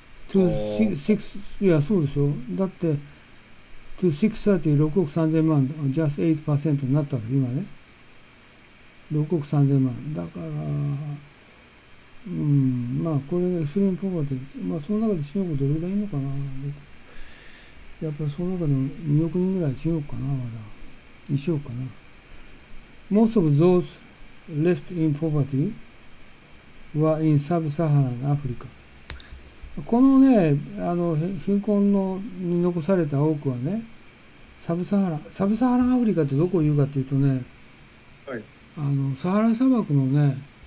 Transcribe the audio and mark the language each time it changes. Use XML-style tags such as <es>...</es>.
<ja>26、いや、そうでしょ。だって、to 630、6億3000万、just 8% になったわけ、今ね。 6億3000万。だから、まあ、これがエクストリームポバティ。まあ、その中で中国どれぐらいいるのかな。やっぱりその中でも2億人ぐらい中国かな、まだ。 1億かな。</ja> <en>Most of those left in poverty were in sub-Saharan Africa。</en> <ja>このね、貧困のに残された多くはね、サブサハラアフリカってどこを言うかっていうとね、サハラ砂漠のね、</ja>